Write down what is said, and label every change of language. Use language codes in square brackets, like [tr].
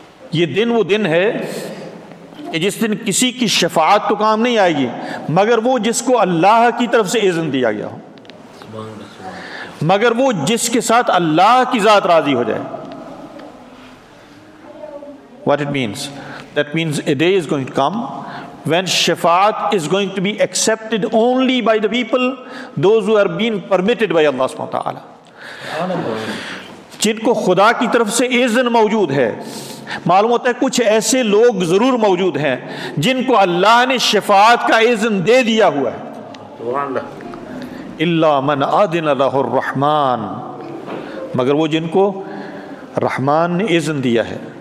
[ur] یہ دن وہ دن ہے کہ جس دن کسی کی شفاعت تو کام نہیں آئے گی مگر وہ جس کو اللہ کی طرف سے اذن دیا گیا ہو، مگر وہ جس کے ساتھ اللہ کی ذات راضی ہو جائے. [en] What it means? That means a day is going to come when shafaat is going to be accepted only by the people, those who are being permitted by Allah سبحانہ وتعالی. [ur] جن کو خدا کی طرف سے اذن موجود ہے. معلوم ہوتا ہے کچھ ایسے لوگ ضرور موجود ہیں جن کو اللہ نے شفاعت کا اذن دے دیا ہوا ہے. [ar] الا من اذن له الرحمن، [ur] مگر وہ جن کو رحمان نے اذن دیا ہے.